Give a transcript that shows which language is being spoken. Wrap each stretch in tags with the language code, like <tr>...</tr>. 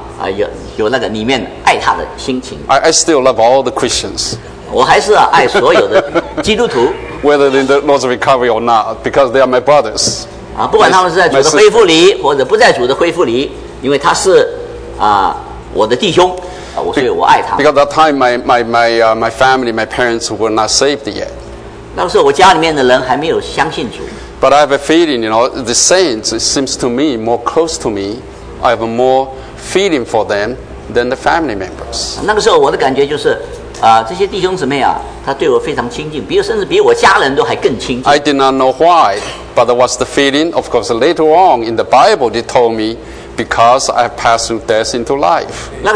<zh>当我刚得救的时候呢,我还搞不清楚什么宗派,基督教的宗派,只要我知道一个人是个基督徒,我就非常有那个里面爱他的心情。</zh> <en>I still love all the Christians.</en> <zh>我还是爱所有的基督徒。</zh> <en>Whether in the Lord's recovery or not, because they are my brothers.</en> <zh>不管他们是在主的恢复里,或者不在主的恢复里, 因为他是我的弟兄。</zh> <en>Because at that time my family, my parents were not saved yet.</en> <zh>那时候我家里面的人还没有相信主。</zh> <en>But I have a feeling, you know, the saints seems to me more close to me. I have a more feeling for them than the family members.</en> <zh>那个时候我的感觉就是这些弟兄姊妹他对我非常亲近，甚至比我家人都还更亲近。</zh> <en>I did not know why, but that was the feeling. Of course, later on in the Bible, they told me, because I passed through death into life.</en>